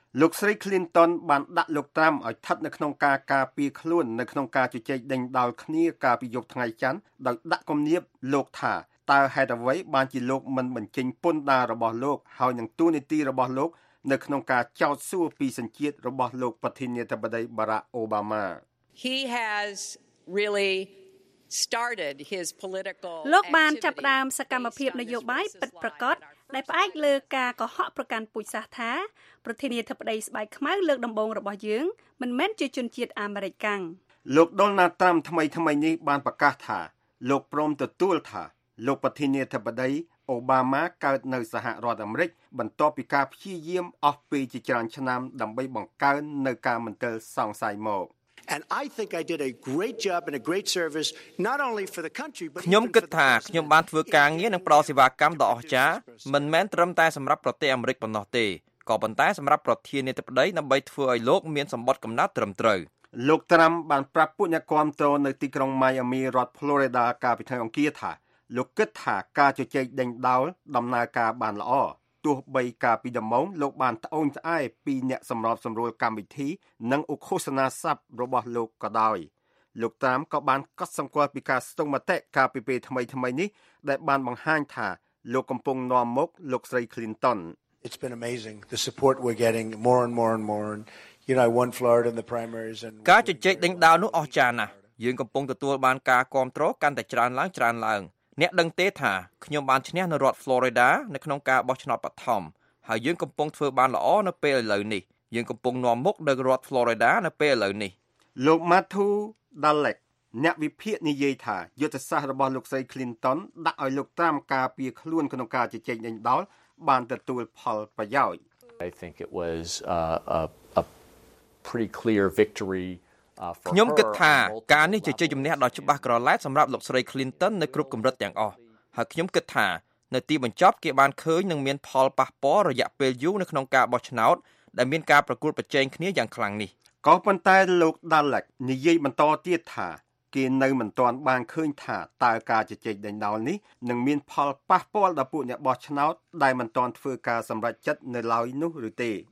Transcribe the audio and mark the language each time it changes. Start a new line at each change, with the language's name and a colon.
Khmer: លោកស្រី Clinton បានដាក់លោកត្រាំឲ្យស្ថិតនៅក្នុងការការពារខ្លួននៅក្នុងការជជែកដេញដោលគ្នាកាលពីយប់ថ្ងៃច័ន្ទដោយដាក់គំនាបលោកថាតើហេតុអ្វីបានជាលោកមិនបញ្ចេញពន្ធដាររបស់លោកហើយនឹងទួលនីតិរបស់លោកនៅក្នុងការចោទសួរពីសញ្ជាតិរបស់លោកប្រធានាធិបតី Barack Obama
English: He has reallyStarted his political
Khmer: លោកបានចាប់ផ្ដើមសកម្មភាពនយោបាយពិតប្រាកដដែលផ្អែកលើការកុហកប្រកាន់ពូជសាសន៍ថាប្រធានាធិបតីស្បែកខ្មៅលើកដំបូងរបស់យើងមិនមែនជាជនជាតិអាមេរិកកាំង លោកដូណាល់ត្រាំថ្មីថ្មីនេះបានប្រកាសថាលោកព្រមទទួលថាលោកប្រធានាធិបតីអូបាម៉ាកើតនៅសហរដ្ឋអាមេរិកបន្ទាប់ពីការព្យាយាមអស់ពេលជាច្រើនឆ្នាំដើម្បីបង្កើននៅការមន្ទិលសង្ស័យមក
English: And I think I did a great job and a great service not only for the country but
Khmer: ខ្ញុំគិតថាខ្ញុំបានធ្វើការងារនិងផ្តល់សេវាកម្មដ៏អស្ចារ្យមិនមែនត្រឹមតែសម្រាប់ប្រទេសអាមេរិកប៉ុណ្ណោះទេក៏ប៉ុន្តែសម្រាប់ប្រធានាធិបតីដើម្បីធ្វើឲ្យលោកមានសម្បត្តិកំណត់ត្រឹមត្រូវ លោកត្រាំបានប្រាប់ពួកអ្នកគាំទ្រនៅទីក្រុង Miami រដ្ឋ Florida កាលពីថ្ងៃអង្គារថាលោកគិតថាការជជែកដេញដោលដំណើរការបានល្អទោះបីកាលពីដំបូងលោកបានត្អូញត្អែពីអ្នកសម្របសម្រួលកម្មវិធីនិងឧបឃោសនាសັບរបស់លោកក៏ដោយលោកតាមក៏បានកត់សម្គាល់ពីការស្ទង់មតិកាលពីពេលថ្មីថ្មីនេះដែលបានបង្ហាញថាលោកកំពុងនាំមុខលោកស្រី Clinton
English: It's been amazing the support we're getting more and more and more you know I won Florida in the primaries and
Khmer: ការជជែកដេញដោលនោះអស្ចារ្យណាស់យើងកំពុងទទួលបានការគាំទ្រកាន់តែច្រើនឡើងច្រើនឡើងអ្នកដឹងទេថាខ្ញុំបានឈ្នះនៅរដ្ឋ Florida នៅក្នុងការបោះឆ្នោតបឋមហើយយើងកំពុងធ្វើបានល្អនៅពេលឥឡូវនេះយើងកំពុងនាំមុខនៅរដ្ឋ Florida នៅពេលឥឡូវនេះ លោក Matthew Dalek អ្នកវិភាគនិយាយថាយុទ្ធសាស្ត្ររបស់លោកស្រី Clinton ដាក់ឲ្យលោកតាមការពីខ្លួនក្នុងការជជែកដេញដោលបានទទួលផលប្រយោជន៍
English: I think it was a pretty clear victory
Khmer: ខ្ញុំគិតថាការនេះជាជ័យជំនះដ៏ច្បាស់ក្រឡែតសម្រាប់លោកស្រី Clinton នៅគ្រប់កម្រិតទាំងអស់ហើយខ្ញុំគិតថានៅទីបញ្ចប់គេបានឃើញនឹងមានផលប៉ះពាល់រយៈពេលយូរនៅក្នុងការបោះឆ្នោតដែលមានការប្រកួតប្រជែងគ្នាយ៉ាងខ្លាំងនេះ ក៏ប៉ុន្តែលោក Dalek និយាយបន្តទៀតថាគេនៅមិនទាន់បានឃើញថាតើការជជែកដេញដោលនេះនឹងមានផលប៉ះពាល់ដល់ពួកអ្នកបោះឆ្នោតដែលមិនទាន់ធ្វើការសម្រេចចិត្តនៅឡើយនោះឬទេ